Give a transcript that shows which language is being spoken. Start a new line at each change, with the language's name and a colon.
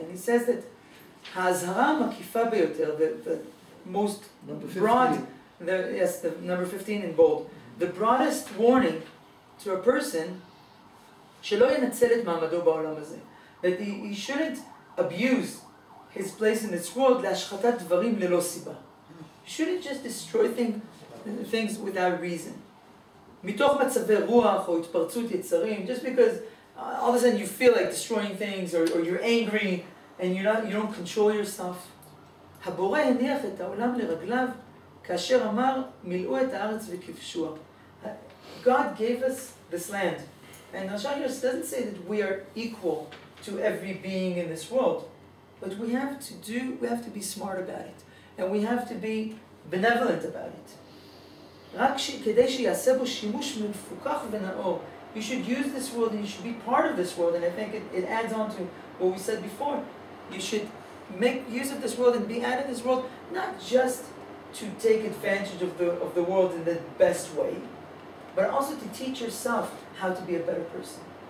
English: And he says that
Hebrew: Hazara Makifa Beyotel,
English: the most broad, the number 15 in bold, the broadest warning to a person,
Hebrew: Shelo Yenatzel Et Ma'amado Ba'olam Hazeh,
English: that he shouldn't abuse his place in this world,
Hebrew: Lashchatat Dvarim Lelo Siba.
English: He shouldn't just destroy things without reason.
Hebrew: מתוך מצבי רוח או התפרצות יצרים,
English: just because all of a sudden you feel like destroying things or you're angry and you don't control yourself.
Hebrew: הבורא הניח את העולם לרגליו כאשר אמר מילאו את הארץ וכבשוה.
English: God gave us this land. And Rashi doesn't say that we are equal to every being in this world, but we have to be smart about it and we have to be benevolent about it.
Hebrew: רק כדי שיעשה בו שימוש מפוקח ונאור.
English: You should use this world and you should be part of this world. And I think it adds on to what we said before. You should make use of this world and be added to this world, not just to take advantage of the world in the best way, but also to teach yourself how to be a better person.